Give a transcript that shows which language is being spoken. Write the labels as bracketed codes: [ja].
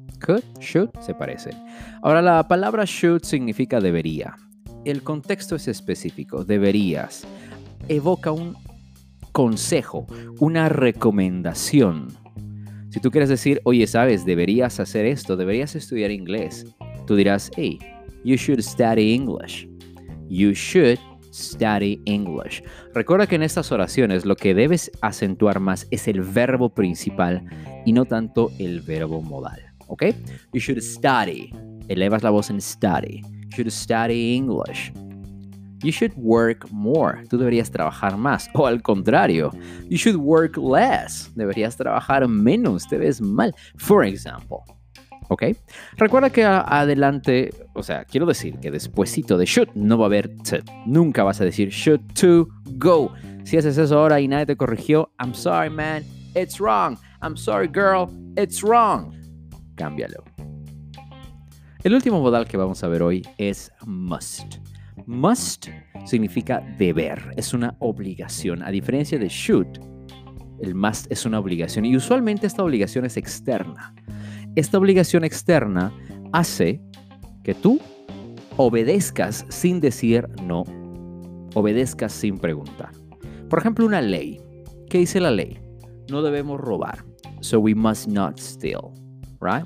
[es] Could, should, se parece. Ahora, la palabra should significa debería. El contexto es específico. Deberías. Evoca un consejo, una recomendación. Si tú quieres decir, oye, ¿sabes? Deberías hacer esto, deberías estudiar inglés. Tú dirás, [en] hey, you should study English. You should study English. [es] Recuerda que en estas oraciones lo que debes acentuar más es el verbo principal y no tanto el verbo modal, ¿ok? [en] You should study. [es] Elevas la voz en [en] study. You should study English. You should work more. [es] Tú deberías trabajar más. O al contrario, [en] you should work less. [es] Deberías trabajar menos. Te ves mal. [en] For example. [es] ¿Ok? Recuerda que adelante, o sea, quiero decir que despuesito de should no va a haber to. Nunca vas a decir should to go. Si haces eso ahora y nadie te corrigió, [en] I'm sorry, man, it's wrong. I'm sorry, girl, it's wrong. [es] Cámbialo. El último modal que vamos a ver hoy es must. Must significa deber. Es una obligación. A diferencia de should, el must es una obligación. Y usualmente esta obligación es externa. Esta obligación externa hace que tú obedezcas sin decir no, obedezcas sin preguntar. Por ejemplo, una ley. ¿Qué dice la ley? No debemos robar. [en] So we must not steal, right?